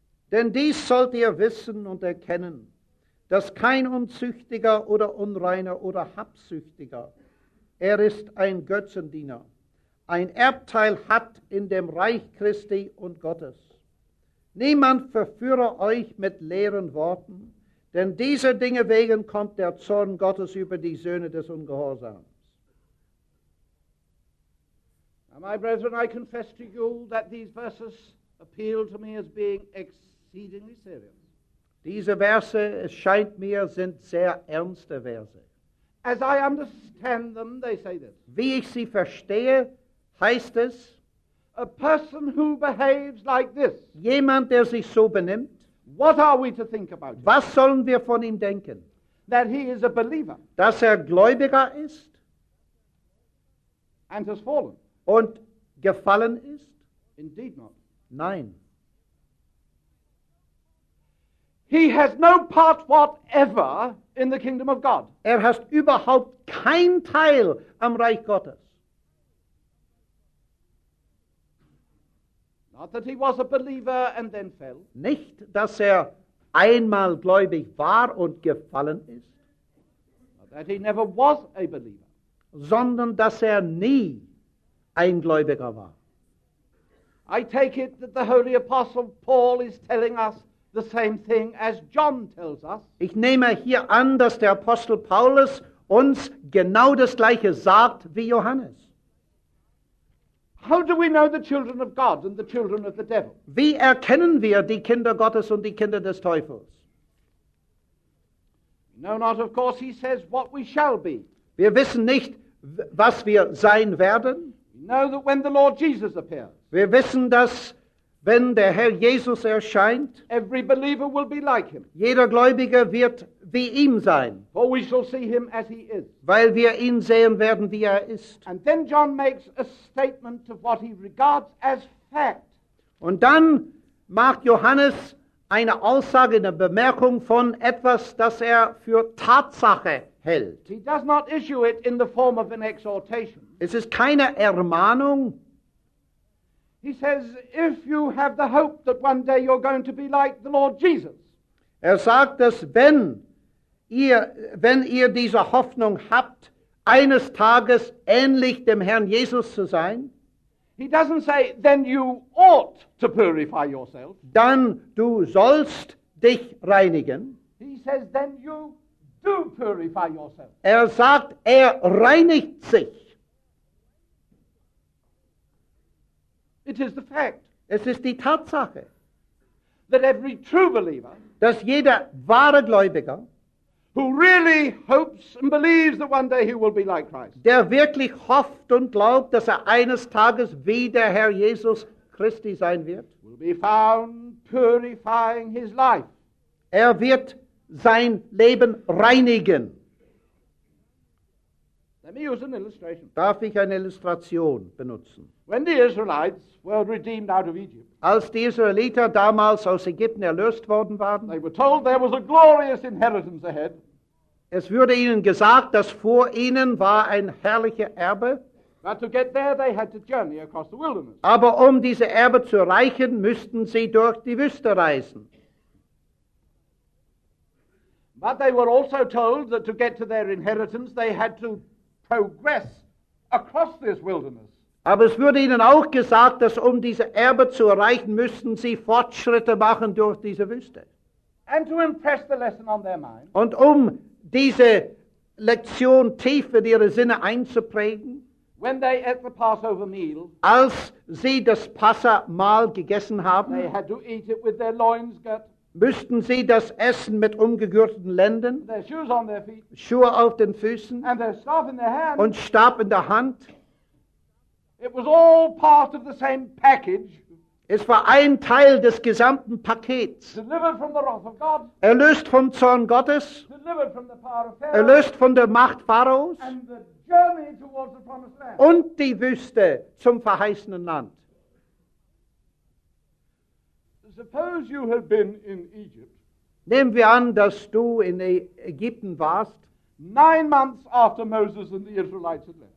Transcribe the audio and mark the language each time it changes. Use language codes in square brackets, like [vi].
[de] Denn dies sollt ihr wissen und erkennen, dass kein Unzüchtiger oder Unreiner oder Habsüchtiger, ist ein Götzendiener, ein Erbteil hat in dem Reich Christi und Gottes. Niemand verführe euch mit leeren Worten, denn dieser Dinge wegen kommt der Zorn Gottes über die Söhne des Ungehorsams. [en] My brethren, I confess to you that these verses appeal to me as being exceedingly serious. [de] Diese Verse, es scheint mir, sind sehr ernste Verse. [en] As I understand them, they say this. [de] Wie ich sie verstehe, heißt es, [en] a person who behaves like this. [de] Jemand, der sich so benimmt. [en] What are we to think about him? [de] Was sollen wir von ihm denken? [en] That he is a believer. [de] Dass Gläubiger ist. [en] And has fallen. [de] Und gefallen ist? [en] Indeed not. [de] Nein. [en] He has no part whatever in the kingdom of God. [de] Hat überhaupt kein Teil am Reich Gottes. [en] Not that he was a believer and then fell. [de] Nicht, dass einmal gläubig war und gefallen ist. [en] Not that he never was a believer. [de] Sondern, dass nie ein Gläubiger war. [en] I take it that the Holy Apostle Paul is telling us the same thing as John tells us. [de] Ich nehme hier an, dass Apostel Paulus uns genau das gleiche sagt wie Johannes. [en] How do we know the children of God and the children of the devil? [de] Wie erkennen wir die Kinder Gottes und die Kinder des Teufels? [en] We know not, of course, he says, what we shall be. [de] Wir wissen nicht, was wir sein werden. [en] Know that when the Lord Jesus appears, [de] wir wissen, dass wenn Herr Jesus erscheint, [en] every believer will be like him. [de] Jeder Gläubige wird wie ihm sein. [en] For we shall see him as he is. [de] Weil wir ihn sehen werden, wie ist. [en] And then John makes a statement of what he regards as fact. [de] Und dann macht Johannes eine Aussage, eine Bemerkung von etwas, das für Tatsache hält. [en] He does not issue it in the form of an exhortation. [de] Es keine Ermahnung. [en] He says, if you have the hope that one day you're going to be like the Lord Jesus. [de] Sagt, dass wenn ihr diese Hoffnung habt, eines Tages ähnlich dem Herrn Jesus zu sein. [en] He doesn't say, then you ought to purify yourself. [de] Dann du sollst dich reinigen. [en] He says, then you do purify yourself. [de] Sagt, reinigt sich. [en] It is the fact. [de] Es die Tatsache. [en] That every true believer. [de] Dass jeder wahre Gläubiger. [en] Who really hopes and believes that one day he will be like Christ. [de] Der wirklich hofft und glaubt, dass eines Tages wie Herr Jesus Christi sein wird. [en] Will be found purifying his life. [de] Wird sein Leben reinigen. [en] Let me use an illustration. [de] Darf ich eine Illustration benutzen? [en] When the Israelites were redeemed out of Egypt, [de] als die Israeliter damals aus Ägypten erlöst worden waren, [en] they were told there was a glorious inheritance ahead. [de] Es wurde ihnen gesagt, dass vor ihnen war ein herrliches Erbe. [en] But to get there, they had to journey across the wilderness. [de] Aber um diese Erbe zu erreichen, müssten sie durch die Wüste reisen. [en] But they were also told that to get to their inheritance, they had to progress across this wilderness. [de] Aber es wurde ihnen auch gesagt, dass um diese Erbe zu erreichen, müssten sie Fortschritte machen durch diese Wüste. [en] And to impress the lesson on their mind. [de] Und um diese Lektion tief in ihre Sinne einzuprägen, [en] when they ate the Passover meal, [de] als sie das Passamahl gegessen haben, [en] they had to eat it with their loins girt, [de] müssten sie das Essen mit umgegürteten Lenden, [en] their shoes on their feet, [de] Schuhe auf den Füßen, [en] and their staff in their hand, [de] und Stab in der Hand. [en] It was all part of the same package. [de] Es war ein Teil des gesamten Pakets. [en] Delivered from the wrath of God, [de] erlöst vom Zorn Gottes, [en] delivered from the power of Pharaoh, [de] erlöst von der Macht Pharaos, [en] and the journey towards the promised land, [de] und die Wüste zum verheißenen Land. [en] Suppose you have been in Egypt. [de] Nehmen wir an, dass du in Ägypten warst. [en] 9 months after Moses and the Israelites had left.